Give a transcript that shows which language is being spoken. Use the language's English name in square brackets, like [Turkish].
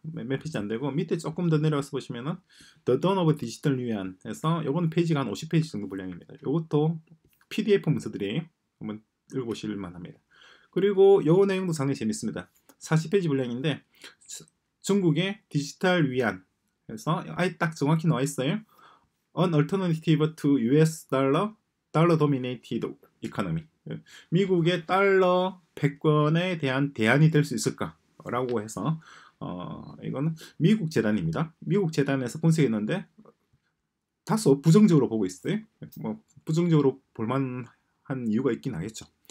[Korean] 몇 페이지 안 되고 밑에 조금 더 내려가서 보시면은 The Dawn of Digital Yuan 해서 이건 페이지가 한 50페이지 정도 분량입니다. 이것도 PDF 문서들이에요. 한번 읽어보실 만합니다. 그리고 이 내용도 상당히 재밌습니다. 40페이지 분량인데 중국의 디지털 위안 해서 아예 딱 정확히 나와 있어요. [English] An alternative to US dollar dominated economy. [Korean] 미국의 달러 100권에 대한 대안이 될 수 있을까? 라고 해서 이거는 미국 재단입니다. 미국 재단에서 분석했는데 다소 부정적으로 보고 있어요. 뭐 부정적으로 볼만한 이유가 있긴 하겠죠.